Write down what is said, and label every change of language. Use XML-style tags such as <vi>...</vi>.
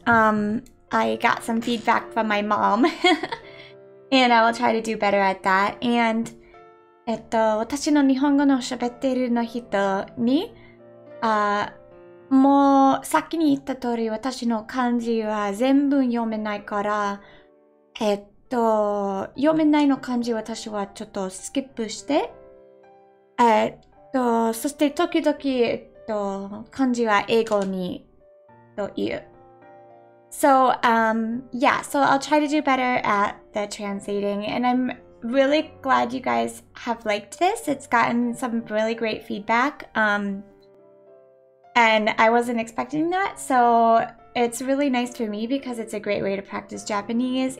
<en>I got some feedback from my mom, and I will try to do better at that.</en> <ja>And 私の日本語の喋っているの人に、もう先に言った通り、私の漢字は全部読めないから、読めないの漢字私はちょっとスキップして、そして時々、漢字は英語にと言う。</ja> <en>So, yeah, so I'll try to do better at the translating, and I'm really glad you guys have liked this. It's gotten some really great feedback. And I wasn't expecting that, so it's really nice for me because it's a great way to practice Japanese.</en>